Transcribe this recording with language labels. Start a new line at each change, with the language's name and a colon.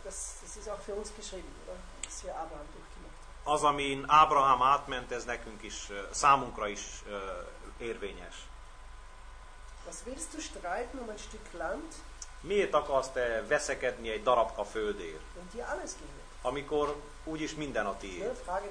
German: Das ist auch für uns geschrieben, oder? Das hier Abraham durchgemacht.
Hungarian: Az, amin Ábrahám átment, ez nekünk is, számunkra is érvényes.
German: Was willst du streiten um ein Stück Land?
Hungarian: Miért akarsz te veszekedni egy darabka földért? Amikor úgyis minden a tiéd.